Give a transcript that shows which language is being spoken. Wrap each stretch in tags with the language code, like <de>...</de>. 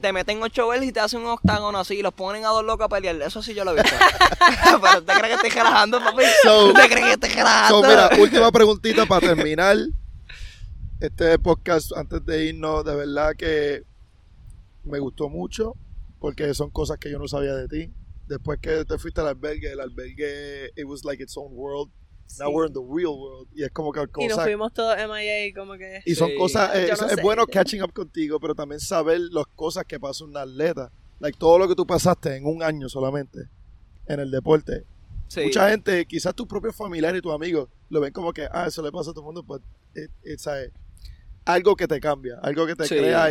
<es>Te meten 8 veces y te hacen un octágono así. Y los ponen a 2 locos a pelear. Eso sí yo lo he visto. Pero ¿te crees que estoy relajando, papi? ¿Te crees que estoy relajando? Mira, última preguntita para terminar este podcast. Antes de irnos, de verdad que me gustó mucho. Porque son cosas que yo no sabía de ti. Después que te fuiste al albergue,</es> <en>it was like its own world. Now we're in the real world.</en> <es>Y es como que cosas. Y nos fuimos todos MIA como que. Y son cosas. Es bueno</es> <en>catching up</en> <es>contigo, pero también saber las cosas que pasa un atleta. Todo lo que tú pasaste en un año solamente en el deporte. Sí. Mucha gente, quizás tus propios familiares y tus amigos, lo ven como que, eso le pasa a todo el mundo. Pues, algo que te cambia, algo que te crea.</es>